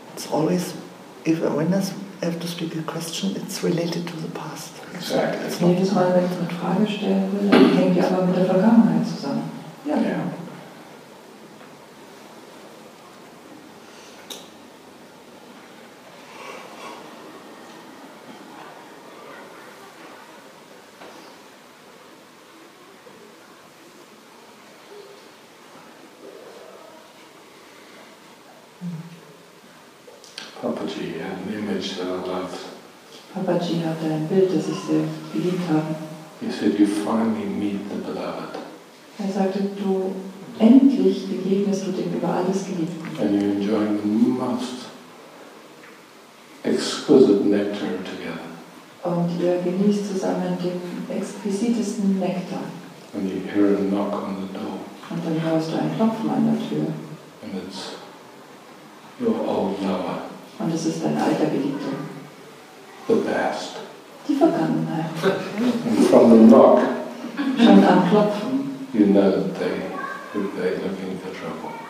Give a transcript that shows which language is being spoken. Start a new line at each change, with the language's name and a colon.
English: Always, if awareness have to speak a question, it's related to the past. Exactly.
German: Jedes Mal, wenn ich eine Frage stellen will, dann hängt ja aber mit der Vergangenheit zusammen. Ja.
English: Yeah. Papaji had an image that I loved.
German: Papaji hatte ein Bild, das ich sehr geliebt habe.
English: He said, "You finally meet the beloved."
German: Er sagte, du endlich begegnest du dem über alles Geliebten.
English: And you enjoy the most exquisite nectar together.
German: Und ihr genießt zusammen den exquisitesten Nektar.
English: And you hear a knock on the door.
German: Und dann hörst du einen Klopfen an der Tür.
English: And it's your old lover.
German: Und es ist dein alter Geliebter.
English: The past.
German: Die Vergangenheit.
English: And from the knock.
German: Schon am Klopfen.
English: You know that they're looking for trouble.